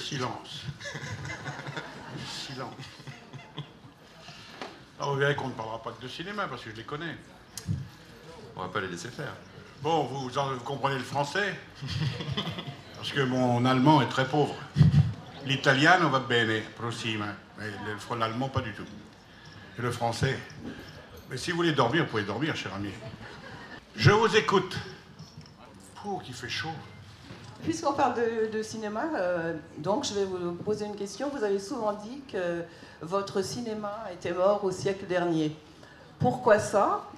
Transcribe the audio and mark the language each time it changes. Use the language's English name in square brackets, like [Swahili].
[French] Silence. Silence. Alors vous verrez qu'on ne parlera pas que de cinéma, parce que je les connais. On ne va pas les laisser faire. Bon, vous comprenez le français? Parce que mon allemand est très pauvre. [Italian] L'italiano va bene, prossima. [French] Mais l'allemand, pas du tout. Et le français? Mais si vous voulez dormir, vous pouvez dormir, cher ami. Je vous écoute. Pour qu'il fait chaud. Puisqu'on parle de cinéma, donc je vais vous poser une question. Vous avez souvent dit que votre cinéma était mort au siècle dernier. Pourquoi ça?